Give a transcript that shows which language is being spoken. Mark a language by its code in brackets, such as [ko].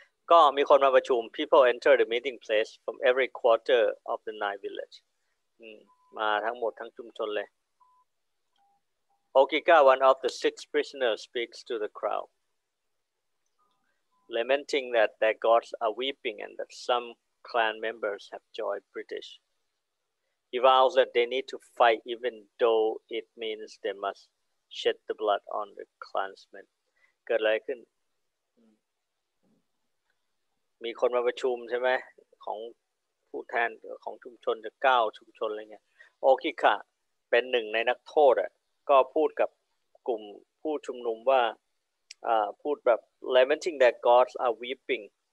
[th] ก็มีคนมาประชุม [en] people enter the meeting place from every quarter of the nine village [th] มาทั้งหมดทั้งชุมชนเลย [en] Okika one of the six prisoners speaks to the crowd lamenting that their gods are weeping and that someclan members have joined British. He vows that they need to fight even though it means they must shed the blood on the clansmen. [th] เกิดอะไรขึ้นมีคนมาประชุมใช่ไหมของผู้แทนของชุมชนจะ9ชุมชนอะไรเงี้ยโอคิคะเป็นหนึ่งในนักโทษอ่ะก็พูดกับกลุ่มผู้ชุมนุมว่าพูดแบบ [en] lamenting that gods are weeping